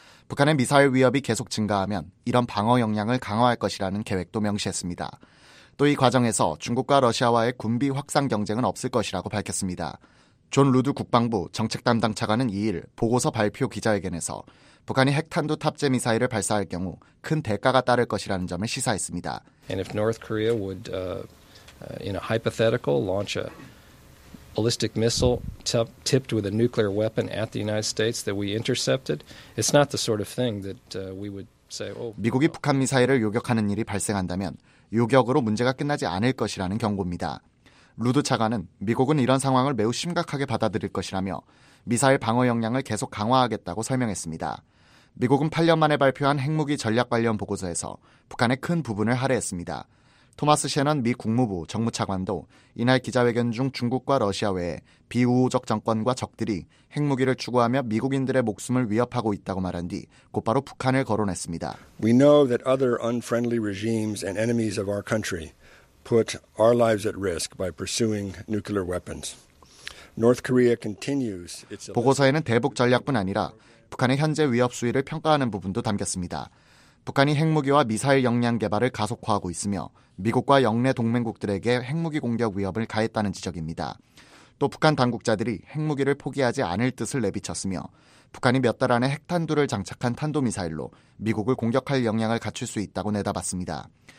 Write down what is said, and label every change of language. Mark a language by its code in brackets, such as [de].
[ko] 북한의 미사일 위협이 계속 증가하면 이런 방어 역량을 강화할 것이라는 계획도 명시했습니다. 또 이 과정에서 중국과 러시아와의 군비 확산 경쟁은 없을 것이라고 밝혔습니다. 존 루드 국방부 정책 담당 차관은 2일 보고서 발표 기자회견에서 북한이 핵탄두 탑재 미사일을 발사할 경우 큰 대가가 따를 것이라는 점을 시사했습니다. [en] And if North Korea would in a hypothetical launch a ballistic missile tipped with a nuclear weapon at the United States that we intercepted, it's not the sort of thing that we would say, "Oh." [ko] 미국이 북한 미사일을 요격하는 일이 발생한다면 요격으로 문제가 끝나지 않을 것이라는 경고입니다. 루드 차관은 미국은 이런 상황을 매우 심각하게 받아들일 것이라며 미사일 방어 역량을 계속 강화하겠다고 설명했습니다. 미국은 8년 만에 발표한 핵무기 전략 관련 보고서에서 북한의 큰 부분을 할애했습니다. 토마스 셰넌 미 국무부 정무차관도 이날 기자회견 중 중국과 러시아 외에 비우호적 정권과 적들이 핵무기를 추구하며 미국인들의 목숨을 위협하고 있다고 말한 뒤 곧바로 북한을 거론했습니다. [en] We know that other unfriendly regimes and enemies of our country put our lives at risk by pursuing nuclear weapons. North Korea continues its [ko] 보고서에는 대북 전략뿐 아니라 북한의 현재 위협 수위를 평가하는 부분도 담겼습니다. 북한이 핵무기와 미사일 역량 개발을 가속화하고 있으며 미국과 영내 동맹국들에게 핵무기 공격 위협을 가했다는 지적입니다. 또 북한 당국자들이 핵무기를 포기하지 않을 뜻을 내비쳤으며 북한이 몇 달 안에 핵탄두를 장착한 탄도미사일로 미국을 공격할 역량을 갖출 수 있다고 내다봤습니다.